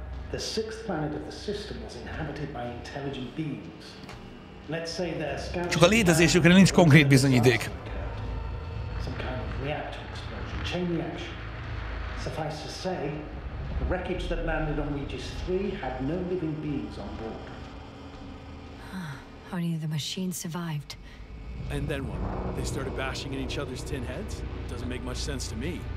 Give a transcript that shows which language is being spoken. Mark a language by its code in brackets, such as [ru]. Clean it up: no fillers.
[en] The sixth planet of the system was inhabited by intelligent beings. Let's say their scouts. [hu] Csak a létezésükre nincs konkrét bizonyíték. [en] Some kind of reactor explosion, chain reaction. Suffice to say, the wreckage that landed on Regis 3 had no living beings on board. Only the machine survived. And then what? They started bashing in each other's tin heads? Doesn't make much sense to me.